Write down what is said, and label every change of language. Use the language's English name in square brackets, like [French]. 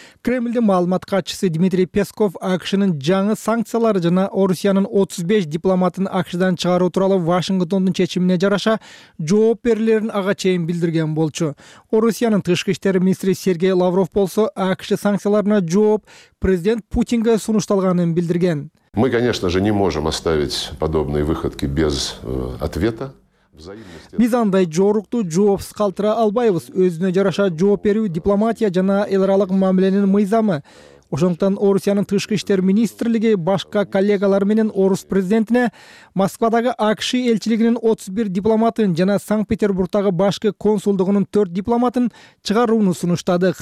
[Kyrgyz] Кремлдин маалымат катчысы Дмитрий Песков АКШнын жаңы санкциялары жана Орусиянын 35 дипломатын АКШдан чыгаруу тууралуу Вашингтондун чечимине жараша жооп берилерин ага чейин билдирген болчу. Орусиянын тышкы иштер министри Сергей Лавров болсо АКШ санкцияларына жооп президент Путинге сунушталганын билдирген. [Russian] Мы, конечно же, не можем оставить подобные выходки без ответа. [Kyrgyz] Биз андай жоорукту жоопсуз калтыра албайбыз. Өзүнө жараша жооп берүү дипломатия жана эл аралык мамиленин мыйзамы. Ошондуктан Орусиянын тышкы иштер министрлиги башка коллегалары менен орус президентине Москвадагы АКШ элчилигинин 31 дипломатын жана Санкт-Петербургтагы башкы консулдугунун 4 дипломатын чыгарууну сунуштадык.